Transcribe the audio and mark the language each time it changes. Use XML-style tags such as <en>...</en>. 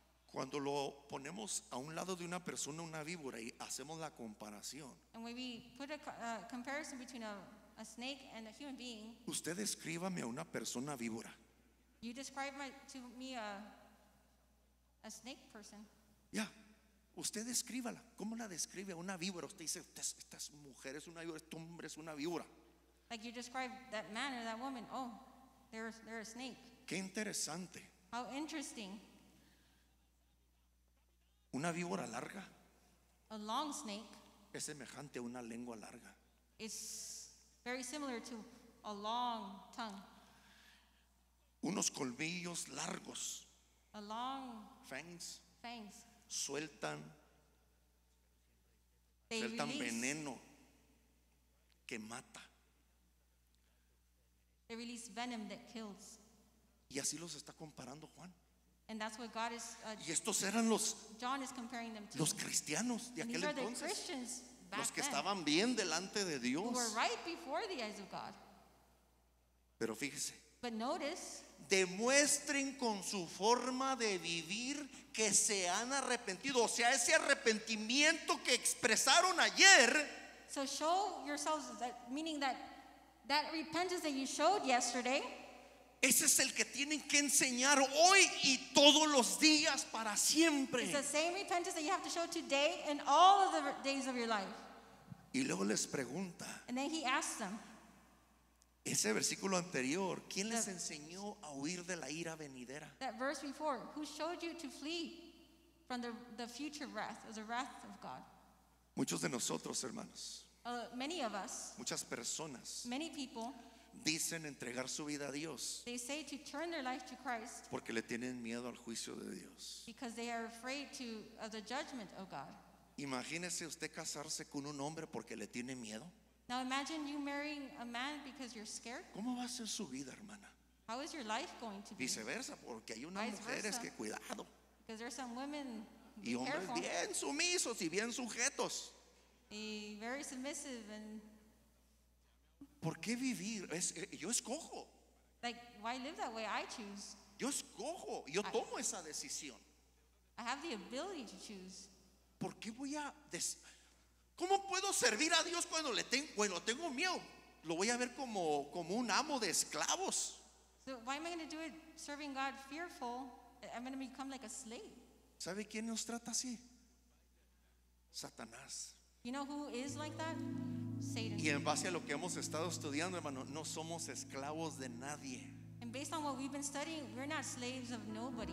<es>Cuando lo ponemos a un lado de una persona, una víbora, y hacemos la comparación.</es> <en>And when we put a comparison between a snake and a human being.</en> <es>Usted describame a una persona víbora.</es> <en>You describe to me a snake person. Yeah.</en> <es>Usted descríbala. ¿Cómo la describe una víbora? Usted dice, esta mujer es una víbora, este hombre es una víbora.</es> <en>Like you describe that man or that woman. Oh, they're a snake.</en> <es>Qué interesante.</es> <en>How interesting.</en> <es>Una víbora larga.</es> <en>A long snake.</en> <es>Es semejante a una lengua larga.</es> <en>It's very similar to a long tongue.</en> <es>Unos colmillos largos.</es> <en>A long. Fangs. Fangs.</en> <es>Sueltan veneno que mata.</es> <en>They release venom that kills.</en> <es>Y así los está comparando Juan.</es> <en>And that's what God is.</en> <es>Y estos eran los.</es> <en>John is comparing them to.</en> <es>Los cristianos de aquel entonces.</es> <en>The</en> <es>los que estaban bien delante de Dios.</es> <en>Who were right before the eyes of God.</en> <es>Pero fíjese.</es> <en>But notice,</en> <es>demuestren con su forma de vivir que se han arrepentido, o sea, ese arrepentimiento que expresaron ayer.</es> <en>So show yourselves that, meaning that repentance that you showed yesterday.</en> <es>Ese es el que tienen que enseñar hoy y todos los días para siempre.</es> <en>It's the same repentance that you have to show today and all of the days of your life.</en> <es>Y luego les pregunta.</es> <en>And then he asked them.</en> <es>Ese versículo anterior, ¿quién les enseñó a huir de la ira venidera?</es> <en>That verse before, who showed you to flee from the future wrath, or the wrath of God?</en> <es>Muchos de nosotros, hermanos.</es> <en>Many of us.</en> <es>Muchas personas.</es> <en>Many people.</en> <es>Dicen entregar su vida a Dios.</es> <en>They say to turn their life to Christ.</en> <es>Porque le tienen miedo al juicio de Dios.</es> <en>Because they are afraid of the judgment of God.</en> <es>Imagínese usted casarse con un hombre porque le tiene miedo.</es> <en>Now imagine you marrying a man because you're scared.</en> <es>¿Cómo va a ser su vida, hermana?</es> <en>How is your life going to be?</en> <es>Viceversa, porque hay unas mujeres que cuidado.</es> <en>Because there are some women</en> <es>Y hombres</es> <en>careful.</en> <es>Bien sumisos y bien sujetos.</es> <en>Y very submissive and.</en> <es>¿Por qué vivir? Yo escojo.</es> <en>Like, why live that way? I choose.</en> <es>Yo escojo. Yo tomo esa decisión.</es> <en>I have the ability to choose.</en> <es>¿Por qué voy a ¿Cómo puedo servir a Dios cuando tengo miedo? Lo voy a ver como un amo de esclavos.</es> <en>So why am I going to do it serving God fearful? I'm going to become like a slave.</en> <es>¿Sabe quién nos trata así? Satanás.</es> <en>You know who is like that? Satan.</en> <es>Y en base a lo que hemos estado estudiando, hermano, no somos esclavos de nadie.</es> <en>And based on what we've been studying, we're not slaves of nobody.</en>